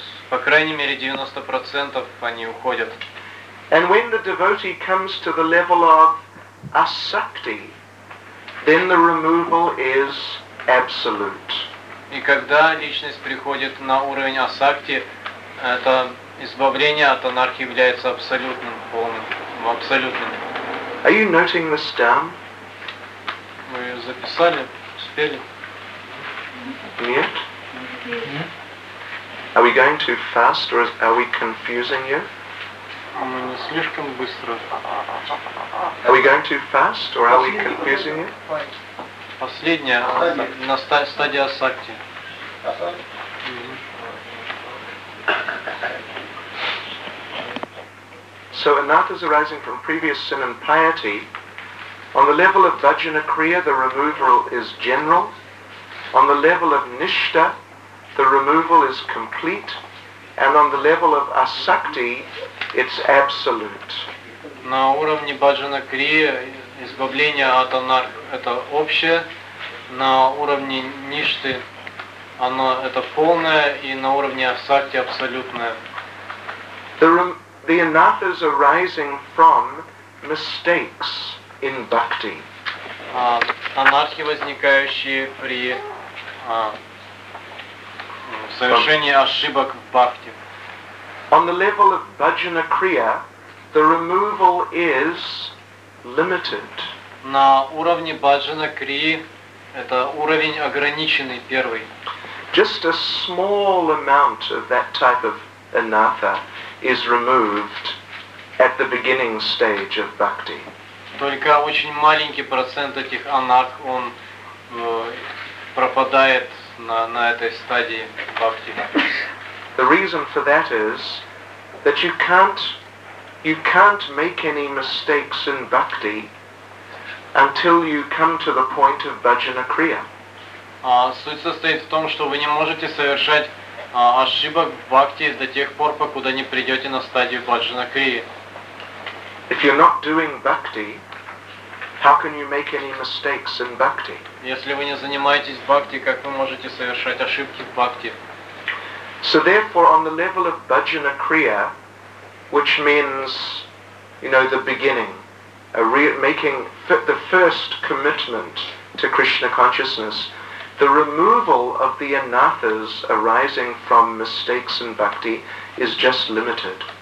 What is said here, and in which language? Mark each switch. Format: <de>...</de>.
<ru>По крайней мере 90% они уходят.</ru> <en>And when the devotee comes to the level of asakti, then the removal is absolute.</en> <ru>И когда личность приходит на уровень асакти, это избавление от анархии является абсолютным, полным, абсолютным.</ru> <en>Are you noting this down?</en> <ru>Вы записали, успели? Нет?</ru> <en>Are we going too fast, or are we confusing you?</en> <ru>Мы не слишком быстро.</ru> <en>Are we going too fast, or are we confusing you?</en> <ru>Последняя, на стадии асакти.</ru> <en>So anatta is arising from previous sin and piety. On the level of vajjana kriya, the removal is general. On the level of nishta, the removal is complete. And on the level of asakti, it's absolute.</en> <ru>На уровне vajjana kriya избавление от анарх это общее. На уровне ништы оно это полное, и на уровне асакти абсолютное.</ru> <en>The anathas arising from mistakes in bhakti.</en> <ru>Анархи, возникающие при совершении ошибок в бхакти.</ru> <en>On the level of bhajana kriya, the removal is limited.</en> <ru>На уровне bhajana kriya это уровень ограниченный первый.</ru> <en>Just a small amount of that type of anatha is removed at the beginning stage of bhakti.</en> <ru>Только очень маленький процент этих анарх он пропадает на этой стадии бхакти.</ru> <en>The reason for that is that you can't make any mistakes in bhakti until you come to the point of bhajana kriya.</en> <ru>Суть состоит в том, что вы не можете совершать ошибок в бхакти до тех пор, покуда не придете на стадию bhajana kriya.</ru> <en>If you're not doing bhakti, how can you make any mistakes in bhakti?</en> <ru>Если вы не занимаетесь бхакти, как вы можете совершать ошибки в бхакти?</ru> <en>So therefore, on the level of bhajana kriya, which means, you know, the beginning, the first commitment to Krishna consciousness, the removal of the anathas arising from mistakes in bhakti is just limited.</en>